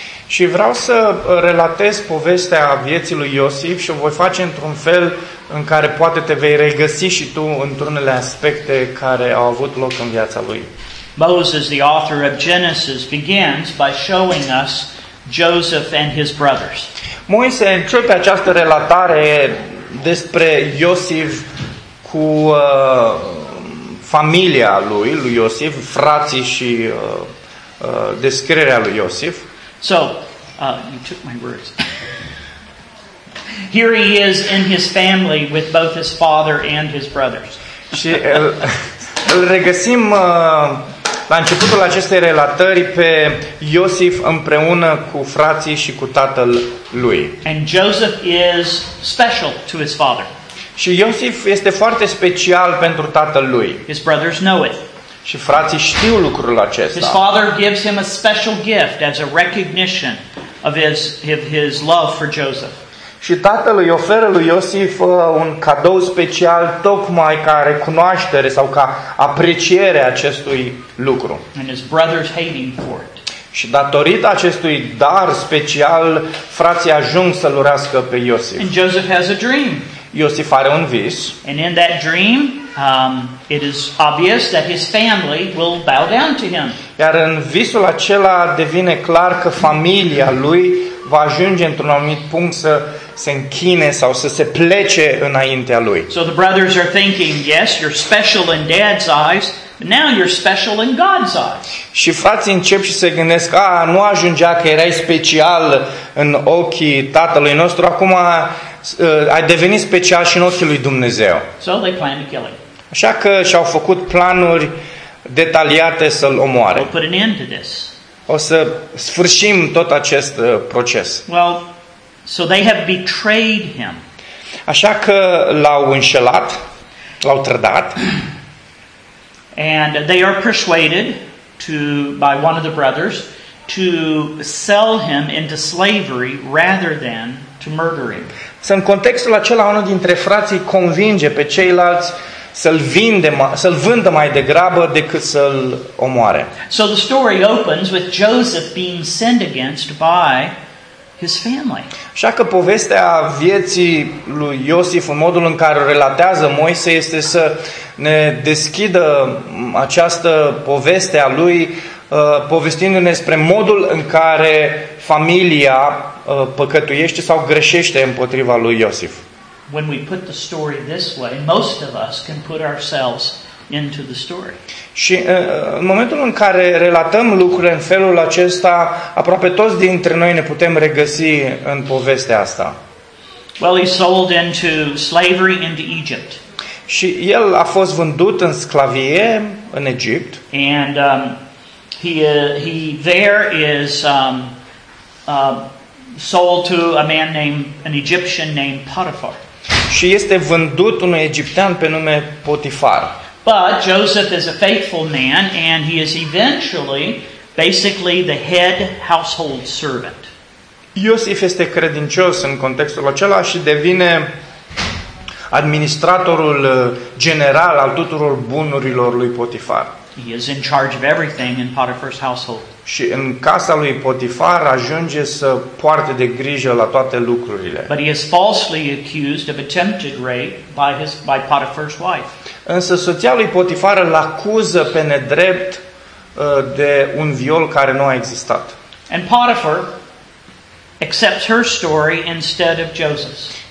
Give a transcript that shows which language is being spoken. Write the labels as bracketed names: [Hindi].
[Romanian] Și vreau să relatez povestea vieții lui Iosif și o voi face într-un fel în care poate te vei regăsi și tu într-unele aspecte care au avut loc în viața lui. [English] Moses, the author of Genesis, begins by showing us Joseph and his brothers. [Romanian] Moise începe această relatare despre Iosif cu familia lui Iosif, frații și descrierea lui Iosif. [English] So, you took my words. Here he is in his family with both his father and his brothers. [Romanian] Și îl regăsim la începutul acestei relatări pe Iosif împreună cu frații și cu tatăl lui. [English] And Joseph is special to his father. [Romanian] Și Iosif este foarte special pentru tatăl lui. [English] His brothers know it. [Romanian] Și frații știu lucrul acesta. [English] His father gives him a special gift as a recognition of his love for Joseph. [Romanian] Și tatăl îi oferă lui Iosif un cadou special tocmai ca recunoaștere sau ca apreciere acestui lucru. [English] And his brothers hating for it. [Romanian] Și datorită acestui dar special, frații ajung să-l urească pe Iosif. [English] And Joseph has a dream. [Romanian] Iosif are un vis. [English] And in that dream, it is obvious that his family will bow down to him. [Romanian] Iar în visul acela devine clar că familia lui va ajunge într-un anumit punct să se închine sau să se plece înaintea lui. [English] So the brothers are thinking, yes, you're special in dad's eyes, but now you're special in God's eyes. [Romanian] Și frații încep și se gândesc, ah, nu ajungea că erai special în ochii tatălui nostru, acum ai devenit special și în ochii lui Dumnezeu. [English] So they plan to kill him. [Romanian] Așa că și-au făcut planuri detaliate să-l omoare. [English] We'll put an end to this. [Romanian] O să sfârșim tot acest proces. [English] Well, so they have betrayed him. [Romanian] Așa că l-au înșelat, l-au trădat. [English] And they are persuaded to by one of the brothers to sell him into slavery rather than to murder him. [Romanian] Și în contextul acela unul dintre frații convinge pe ceilalți să-l vândă mai degrabă decât să-l omoare. [English] So the story opens with Joseph being sent against by his family. [Romanian] Așa că povestea vieții lui Iosif, în modul în care o relatează Moise, este să ne deschidă această poveste a lui, povestindu-ne spre modul în care familia păcătuiește sau greșește împotriva lui Iosif. [English] When we put the story this way, most of us can put ourselves into the story. [Romanian] Și în momentul în care relatăm lucrurile în felul acesta, aproape toți dintre noi ne putem regăsi în povestea asta. [English] Well, he sold into slavery into Egypt. [Romanian] Și el a fost vândut în sclavie în Egipt. [English] And he is sold to a man named an Egyptian named Potiphar. [Romanian] Și este vândut unui egiptean pe nume Potifar. [English] But Joseph is a faithful man and he is eventually basically the head household servant. [Romanian] Iosif este credincios în contextul acela și devine administratorul general al tuturor bunurilor lui Potifar. [English] He is in charge of everything in Potiphar's household. [Romanian] Și în casa lui Potifar ajunge să poarte de grijă la toate lucrurile. [English] But he is falsely accused of attempted rape by Potiphar's wife. [Romanian] Însă soția lui Potifar îl acuză pe nedrept de un viol care nu a existat. [English] And Potiphar accepts her story instead of Joseph's.